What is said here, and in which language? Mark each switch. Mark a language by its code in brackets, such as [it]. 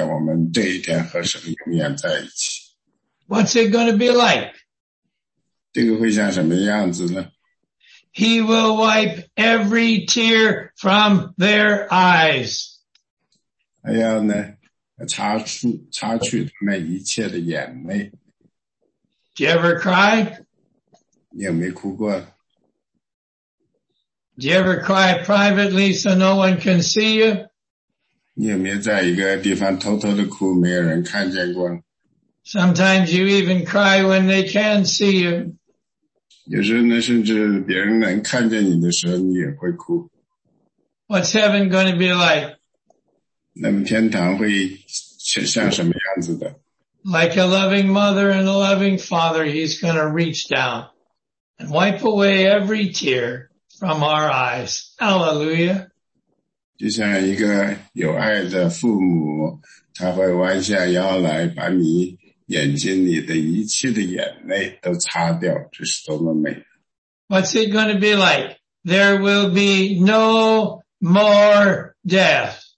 [zh] 这就是圣经写圣经的目的。圣经从那个创世纪开始呢，如果你一开始读，你说啊，主啊，这是非常悲惨的故事，所有的悲伤的事情都发生在这里面。但是呢，如果你坚持从创世纪一直读，读到这里的时候呢，你说啊，主啊，这是很美的一本书。所有的我们，所有的人都是盼望着这一天，我们这一天和神永远在一起。 [en] What's it going to be like? [zh] 这个会像什么样子呢？ [en] He will wipe every tear from their eyes. [zh] 他要呢，擦去他们一切的眼泪。 [en] Do you ever cry? [zh] 你有没有哭过？ [en] Do you ever cry privately so no one can see you? [zh] 你有没有在一个地方偷偷的哭，没有人看见过？ [en] Sometimes you even cry when they can see you. [zh] 有时候呢，甚至别人能看见你的时候，你也会哭。 [en] What's heaven going to be like? [zh] 那么天堂会像什么样子的？ [en] like a loving mother and a loving father, he's going to reach down and wipe away every tear from our eyes. Hallelujah. [zh] 就像一个有爱的父母，他会弯下腰来，把你眼睛里的一切的眼泪都擦掉，这是多么美。 [en] What's it going to be like? There will be no more death.